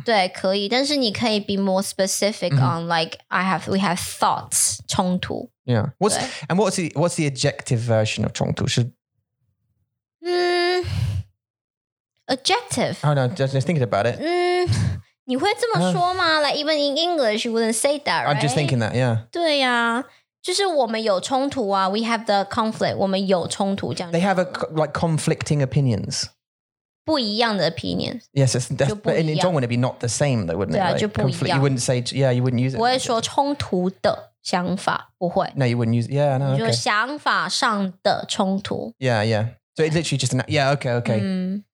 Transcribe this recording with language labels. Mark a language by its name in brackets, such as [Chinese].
[Chinese] 对，可以。但是你可以 [English] be more specific on like we have thoughts [Chinese] 冲突。 [English] Yeah. What's the adjective version of 冲突？是 Adjective. Oh no, just thinking about it. [Chinese] 你会这么说吗? [English] Like even in English, you wouldn't say that, right? I'm just thinking that, yeah. [Chinese] 对呀，就是我们有冲突啊。 [English] We have the conflict. [Chinese] 我们有冲突这样。 [English] They have conflicting opinions. [Chinese] 不一样的 opinions. [English] Yes, but in 中文 it'd be not the same, though, wouldn't it? [Chinese] 对啊，就不一样。 [English] You wouldn't say, yeah, you wouldn't use it. [Chinese] 我会说冲突的想法，不会。 [English] No, you wouldn't use, yeah, no, okay. [Chinese] 就是想法上的冲突。 [English] Yeah, yeah. So it's literally just, yeah, okay.